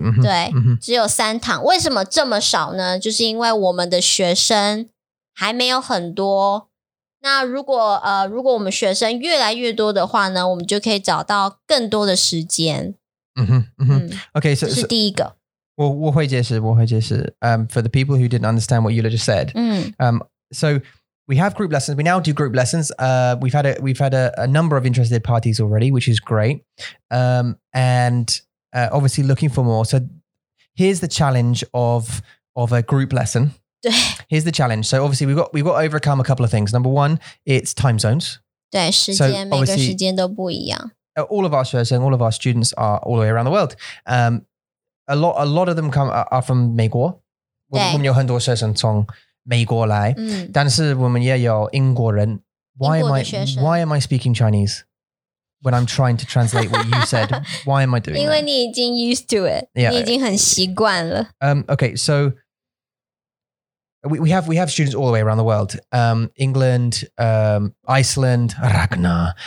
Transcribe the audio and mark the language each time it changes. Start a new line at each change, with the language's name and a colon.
Chinese: 对，只有三堂。为什么这么少呢？就是因为我们的学生还没有很多。那如果我们学生越来越多的话呢，我们就可以找到更多的时间。嗯哼，嗯哼 ，OK，这是第一个。我会解释，我会解释。
English: For the people who didn't understand what Eula just said, so we have group lessons. We now do group lessons. We've had a number of interested parties already, which is great. And obviously looking for more. So here's the challenge of a group lesson. Here's the challenge. So obviously we've got to overcome a couple of things. Number one, it's time zones.
Chinese: 对，时间，每个时间都不一样。
English: All of our students, and all of our students are all the way around the world. A lot of them are from
Chinese: 美国。对，我们有很多学生从美国来。但是我们也有英国人。
English: Why am I speaking Chinese when I'm trying to translate what you said? Why am I doing?
Chinese: 因为你已经
English: used to it. Yeah,
Chinese: 你已经很习惯了。
English: Okay, so. We have students all the way around the world. England, Iceland, Ragnar.